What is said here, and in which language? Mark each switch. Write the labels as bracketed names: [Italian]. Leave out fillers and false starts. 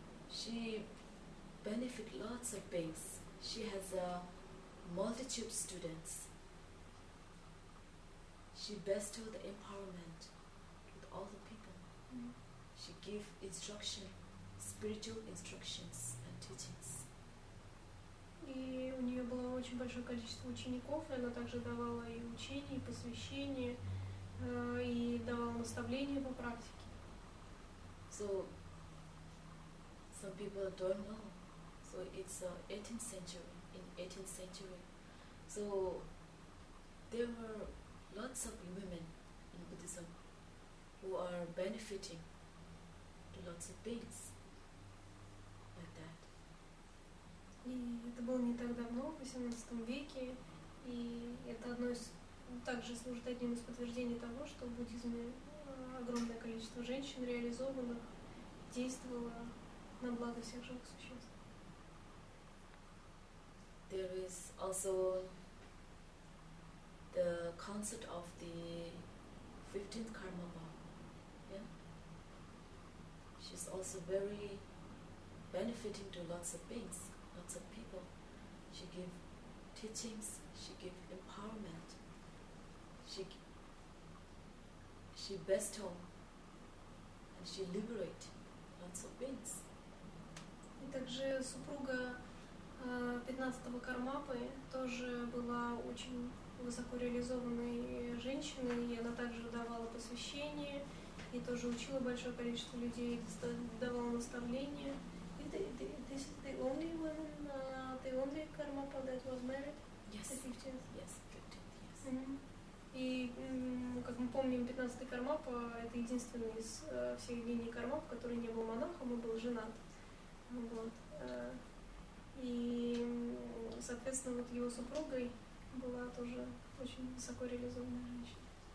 [English] She benefits lots of things. She has a multitude of students. She bestowed the empowerment with all the people. She gave instruction, spiritual instructions and teachings. [Russian] И у нее было очень большое количество учеников, и она также давала и учения, и посвящения, и давала наставления по практике. [English] So some people don't know. So it's 18th century, in 18th century. So there were lots of women in Buddhism who are benefiting to lots of beings like that. [Russian] И это было не так давно, в 18 веке, и это одно из, также служит одним из подтверждений того, что в буддизме огромное количество женщин реализовано, действовало на благо всех живых существ. [English] There is also the concept of the 15th Karmapa. Yeah? She's also very benefiting to lots of beings, lots of people. She gives teachings, she gives empowerment, she bestows, and she liberates lots of beings. [Russian] И также супруга 15-го Кармапы тоже была очень высоко реализованной женщиной, и она также давала посвящение, и тоже учила большое количество людей, давала наставления. [English] И this is the only woman, the only Кармапа that was married? Yes. The 15th? Yes, 15th, yes. [Russian] И, как мы помним, 15-й Кармапа — это единственный из всех линий Кармап, который не был монахом и был женат. Вот. И, соответственно, вот его супругой была тоже очень высоко реализованная женщина.